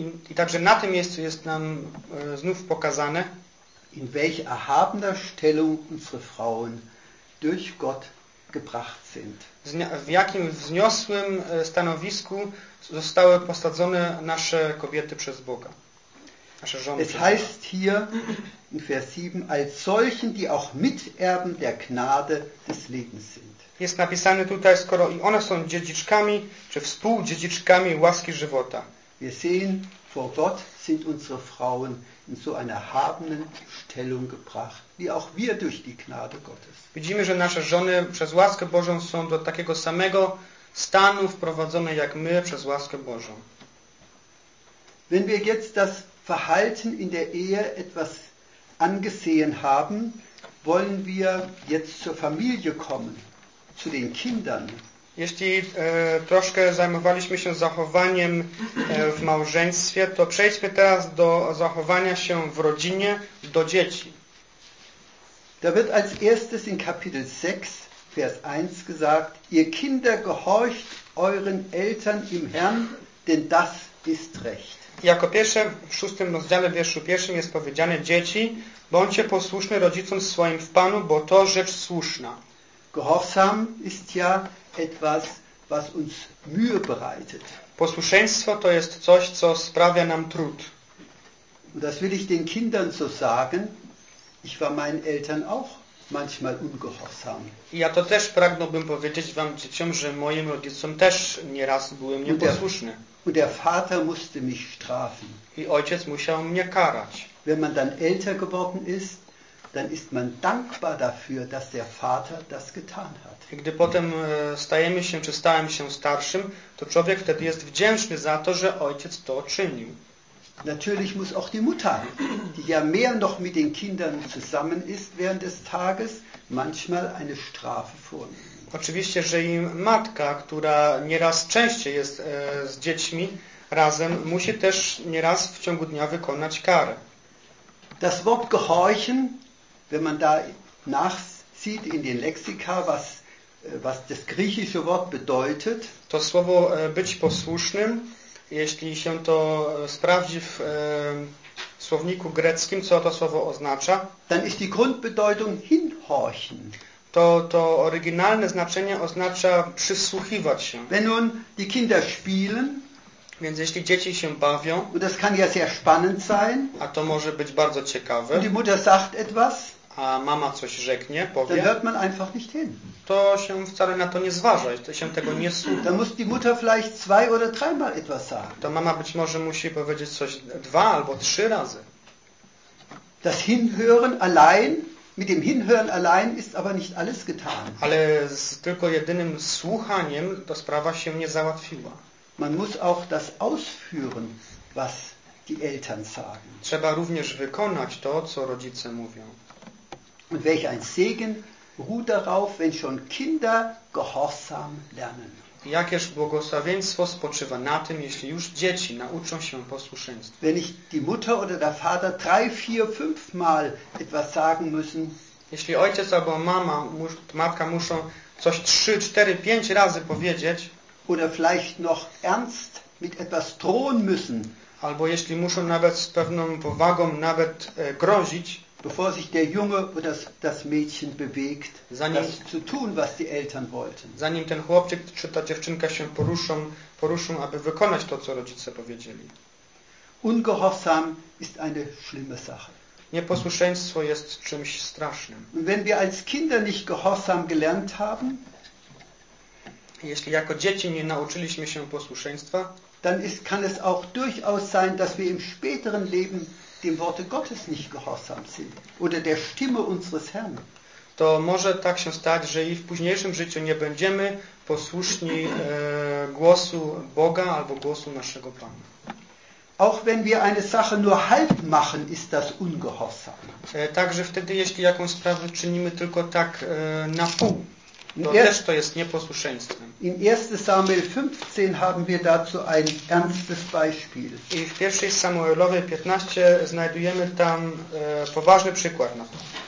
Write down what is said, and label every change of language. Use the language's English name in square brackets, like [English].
[Polish] i także na tym miejscu jest nam znów pokazane, [German] in welch erhabener Stellung unsere Frauen durch Gott gebracht sind. [Polish] W jakim wzniosłym stanowisku zostały posadzone nasze kobiety przez Boga. Nasze żony. [German] Es heißt hier in Vers 7 als solchen, die auch Miterben der Gnade des Lebens sind. [Polish] Jest napisane tutaj, skoro i one są dziedziczkami, czy współdziedziczkami łaski żywota. [German] Wir sehen, vor Gott sind unsere Frauen in so einer erhabenen Stellung gebracht, wie auch wir durch die Gnade Gottes. [Polish] Widzimy, że nasze żony przez łaskę Bożą są do takiego samego stanu wprowadzone jak my przez łaskę Bożą. [German] Wenn wir jetzt das Verhalten in der Ehe etwas angesehen haben, wollen wir jetzt zur Familie kommen, zu den Kindern. [Polish] Jeśli troszkę zajmowaliśmy się zachowaniem w małżeństwie, to przejdźmy teraz do zachowania się w rodzinie, do dzieci. [German] Da wird als erstes in Kapitel 6, Vers 1 gesagt, ihr Kinder gehorcht euren Eltern im Herrn, denn das ist recht. [Polish] Jako pierwsze w 6 rozdziale wierszu 1 jest powiedziane, dzieci, bądźcie posłuszne rodzicom swoim w Panu, bo to rzecz słuszna. [German] Gehorsam ist ja etwas, was uns Mühe bereitet. [Polish] Posłuszeństwo to jest coś, co sprawia nam trud. [German] Und das will ich den Kindern so sagen. Ich war meinen Eltern auch manchmal ungehorsam. [Polish] Ja to też pragnąłbym powiedzieć wam, dzieciom, że moim rodzicom też nieraz byłem nieposłuszny. [German] Und der Vater musste mich strafen. [Polish] I ojciec musiał mnie karać. [German] Wenn man dann älter geworden ist, dann ist man dankbar dafür, dass der Vater das getan hat. [Polish] Gdy potem stajemy się, czy stałem się starszym, to człowiek wtedy jest wdzięczny za to, że ojciec to czynił. [German] Natürlich muss auch die Mutter, die ja mehr noch mit den Kindern zusammen ist während des Tages, manchmal eine Strafe vornehmen. [Polish] Oczywiście, że i matka, która nieraz częściej jest z dziećmi razem, musi też nieraz w ciągu dnia wykonać karę. [German] Das Wort gehorchen, wenn man da nachsieht in den Lexika, was das griechische Wort bedeutet. [Polish] To słowo być posłusznym, jeśli się to sprawdzi w słowniku greckim, co to słowo oznacza, [German] dann ist die Grundbedeutung hinhorchen. [Polish] To oryginalne znaczenie oznacza przysłuchiwać się. [German] Wenn nun die Kinder spielen, [Polish] więc jeśli dzieci się bawią, [German] und das kann ja sehr spannend sein, [Polish] a to może być bardzo ciekawe, [German] und die Mutter sagt etwas, [Polish] a mama coś rzeknie, powie, [German] dann hört man einfach nicht hin. [Polish] To się wcale na to nie zważa, to się tego nie słucha. [German] Dann muss die Mutter vielleicht zwei oder dreimal etwas sagen. [Polish] To mama być może musi powiedzieć coś dwa albo trzy razy. [German] Das Hinhören allein, mit dem Hinhören allein ist aber nicht alles getan. [Polish] Ale z tylko jedynym słuchaniem ta sprawa się nie załatwiła. [German] Man muss auch das ausführen, was die Eltern sagen. [Polish] Trzeba również wykonać to, co rodzice mówią. [German] Und welch ein Segen ruht darauf, wenn schon Kinder gehorsam lernen. [Polish] Jakież błogosławieństwo spoczywa na tym, jeśli już dzieci nauczą się posłuszeństwa. [German] Wenn ich die Mutter oder der Vater drei, vier, fünf Mal etwas sagen müssen. [Polish] Jeśli ojciec albo mama, matka muszą coś trzy, cztery, pięć razy powiedzieć. [German] Oder vielleicht noch ernst mit etwas drohen müssen. [Polish] Albo jeśli muszą nawet z pewną powagą nawet grozić. [German] Bevor sich der Junge oder das Mädchen bewegt, [Polish] zanim, [German] das zu tun, was die Eltern wollten. [Polish] Zanim ten chłopczyk czy ta dziewczynka się poruszą, aby wykonać to, co rodzice powiedzieli. [German] Ungehorsam ist eine schlimme Sache. [Polish] Nieposłuszeństwo jest czymś strasznym. [German] Und wenn wir als Kinder nicht gehorsam gelernt haben, [Polish] jeśli jako dzieci nie nauczyliśmy się posłuszeństwa, [German] dann ist, kann es auch durchaus sein, dass wir im späteren Leben dem Worte Gottes nicht gehorsam sind oder der Stimme unseres Herrn. [Polish] To może tak się stać, że i w późniejszym życiu nie będziemy posłuszni głosu Boga albo głosu naszego Pana. [German] Auch wenn wir eine Sache nur halb machen, ist das ungehorsam. [Polish] Także wtedy, jeśli jakąś sprawę czynimy tylko tak na pół, też to jest nieposłuszeństwem. [German] In 1. Samuel 15 haben wir dazu ein ernstes Beispiel. [Polish] I w 1. Samuelowej 15 znajdujemy tam poważny przykład na to.